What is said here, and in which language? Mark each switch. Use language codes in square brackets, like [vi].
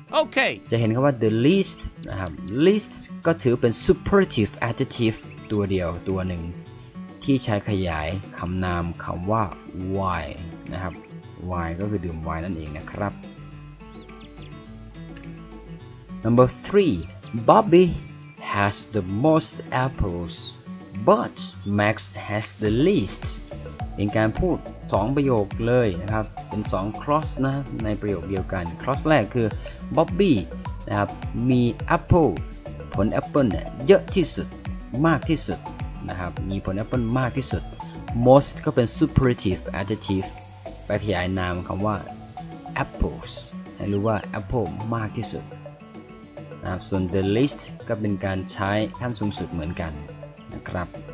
[th] โอเค จะเห็นคำว่า the least นะครับ least ก็ถือเป็น superlative adjective ตัวเดียวตัวหนึ่งที่ใช้ขยายคำนามคำว่า wine นะครับ wine ก็คือดื่มไวน์นั่นเองนะครับ [en] Number 3. Bobby has the most apples, but Max has the least. [th] เป็นการพูด2ประโยคเลยนะครับเป็น2 cross นะในประโยคเดียวกัน cross แรกคือ Bobby นะครับมี apple ผลแอปเปิลเนี่ยเยอะที่สุดมากที่สุดนะครับมีผลแอปเปิลมากที่สุด most ก็เป็น superlative adjective ไปขยายนามคำว่า apples ให้รู้ว่า apple มากที่สุดนะครับส่วน the least ก็เป็นการใช้ขั้นสูงสุดเหมือนกันนะครับ